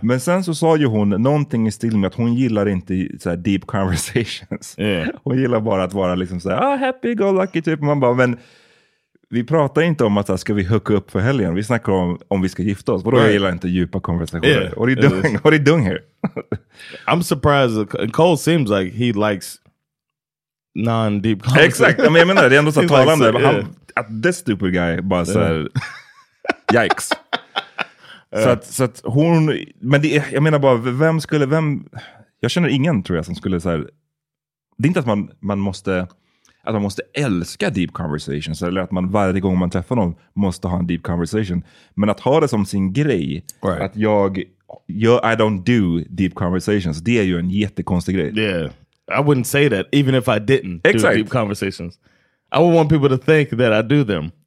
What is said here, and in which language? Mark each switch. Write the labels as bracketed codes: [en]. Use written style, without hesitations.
[sv] Men sen så sa ju hon någonting i stil med att hon gillar inte så här [en] deep conversations. Yeah. [sv] Hon gillar bara att vara liksom så här, [en] oh, happy, go lucky [sv] typ. Man bara, men vi pratar inte om att så här, ska vi hooka upp för helgen? Vi snackar om vi ska gifta oss. Vadå, right, jag gillar inte djupa konversationer? [en] Yeah. What are you doing? What are you doing here? I'm surprised. Cole seems like he likes non-deep conversations. [sv] Exakt, men jag menar det. Det är ändå så talande. [en] Like, so, yeah. [sv] Han, [en] this stupid guy [sv] bara så här... Yikes. Så att hon, men det är, jag menar bara, vem skulle, jag känner ingen tror jag som skulle så här, det är inte att man måste älska [en] deep conversations [sv] eller att man varje gång man träffar någon måste ha en [en] deep conversation, [sv] men att ha det som sin grej, [en] right, [sv] att jag [en] I don't do deep conversations, [sv] det är ju en jättekonstig grej. [en] Yeah, I wouldn't say that even if I didn't exact do deep conversations. I would want people to think that I do them.